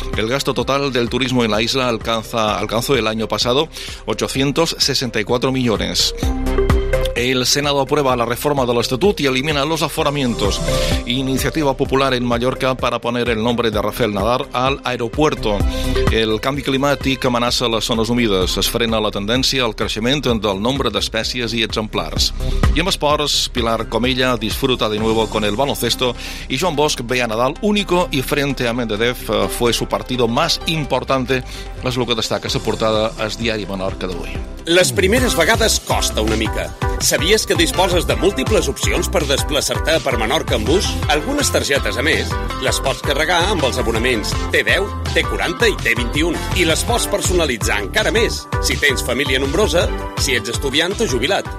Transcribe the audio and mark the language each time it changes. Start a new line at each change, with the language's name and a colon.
Spanish: El gasto total del turismo en la isla alcanzó el año pasado 864 millones. El Senado aprueba la reforma del Estatut y elimina los aforamientos. Iniciativa popular en Mallorca para poner el nombre de Rafael Nadal al aeropuerto.
Catalan: El canvi climàtic amenaça les zones humides. Es frena la tendència al creixement del nombre d'espècies i exemplars.
Spanish: I amb esports, Pilar Comella disfruta de nuevo con el baloncesto y Joan Bosch ve a Nadal único y frente a Medvedev fue su partido más importante.
Catalan: És el que destaca la portada al diari Menorca d'avui. Les primeres vegades costa una mica. Sabies que disposes de múltiples opcions per desplaçar-te per Menorca amb bus? Algunes targetes, a més, les pots carregar amb els abonaments T10, T40 i T21. I les pots personalitzar encara més si tens família nombrosa, si ets estudiant o jubilat.